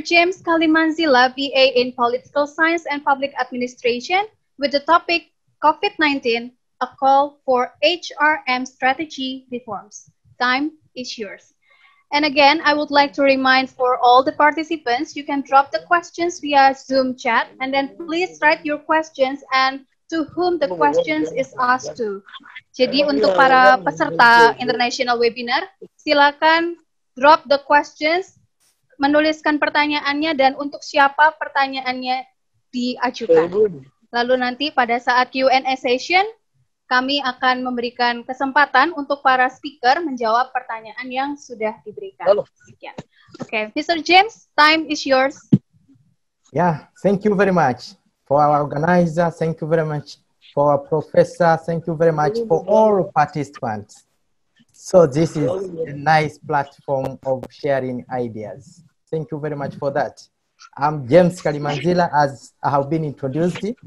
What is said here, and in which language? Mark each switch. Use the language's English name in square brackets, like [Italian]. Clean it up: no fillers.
[English] James Kalimanzila, BA in Political Science and Public Administration, with the topic COVID-19, a call for HRM strategy reforms. Time is yours. And again, I would like to remind for all the participants, you can drop the questions via Zoom chat, and then please write your questions and to whom the questions is asked to. [Indonesian] Jadi untuk para peserta international webinar, silakan [English] drop the questions, [Indonesian] menuliskan pertanyaannya, dan untuk siapa pertanyaannya diajukan. Lalu nanti pada saat Q&A session, kami akan memberikan kesempatan untuk para speaker menjawab pertanyaan yang sudah diberikan. Sekian. [English] Okay, Mr. James, time is yours. Yeah, thank you very much for our organizer. Thank you very much for our professor. Thank you very much for all participants. So this is a nice platform of sharing ideas. Thank you very much for that. I'm James Kalimanzila, as I have been introduced.